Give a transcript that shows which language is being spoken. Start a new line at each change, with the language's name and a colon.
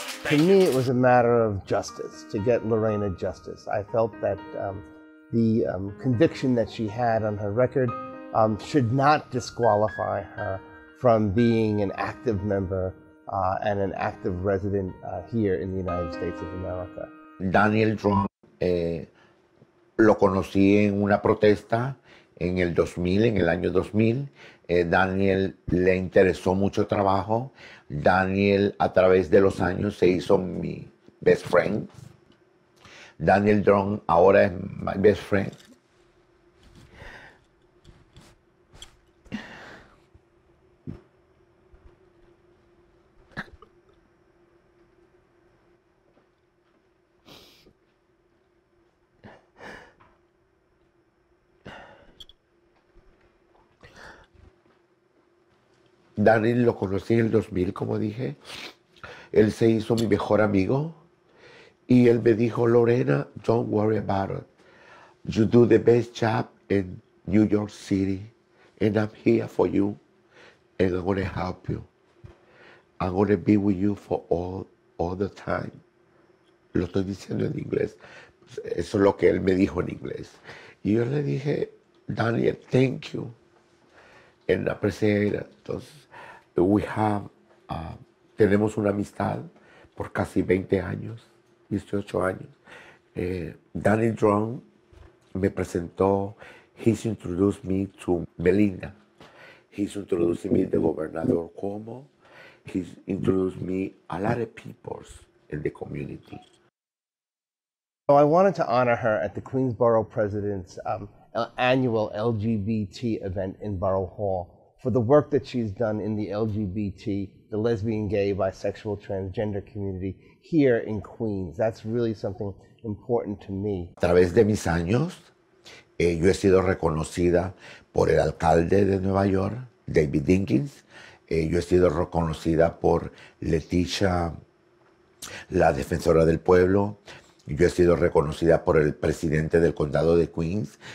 English: To me, it was a matter of justice, to get Lorena justice. I felt that the conviction that she had on her record should not disqualify her from being an active member and an active resident here in the United States of America.
Spanish: Daniel Trump lo conocí en una protesta en el 2000, en el año 2000. Daniel le interesó mucho trabajo. Daniel, a través de los años, se hizo mi
English: best friend. Daniel Drone
Spanish: ahora es
English: my best friend.
Spanish: Daniel lo conocí en el 2000, como dije. Él se hizo mi mejor amigo. Y él me dijo, Lorena,
English: don't worry about it. You do the best job in New York City. And I'm here for you. And I'm going to help you. I'm going to be with you for all the time.
Spanish: Lo estoy diciendo en inglés. Eso es lo que él me dijo en inglés. Y yo le dije,
English: Daniel, thank you. And I appreciate it.
Spanish: Entonces,
English: we have,
Spanish: tenemos una amistad por casi 20 años, 18 años.
English: Danny Drum
Spanish: me presentó,
English: he's introduced me to Melinda. He's introduced me to the Governor Cuomo. He's introduced me a lot of people in the community. So I wanted to honor her at the Queensborough President's annual LGBT event in Borough Hall, for the work that she's done in the LGBT, the lesbian, gay, bisexual, transgender community here in Queens. That's really something important to me.
Spanish: A través de mis años, yo he sido reconocida por el alcalde de Nueva York, David Dinkins. Yo he sido reconocida por Leticia, la defensora del pueblo. Yo he sido reconocida por el presidente del condado de Queens.